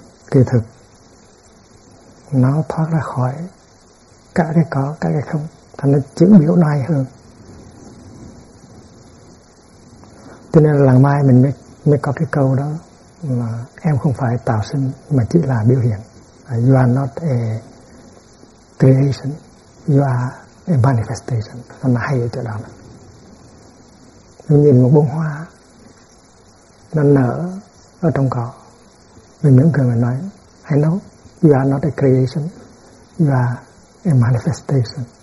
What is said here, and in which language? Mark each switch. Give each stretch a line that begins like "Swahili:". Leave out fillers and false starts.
Vietnamese: Kỳ thực nó thoát ra khỏi cả cái có, cả cái không, thành ra chữ biểu nó hay hơn. Cho nên là lần mai mình mới có cái câu đó là em không phải tạo sinh mà chỉ là biểu hiện.
English: You are not a creation, you are a manifestation.
Vietnamese: Nó hay ở chỗ đó. Mình nhìn một bông hoa nó nở ở trong cỏ, mình mỉm cười mình nói
English: I know you are not a creation, you are a manifestation.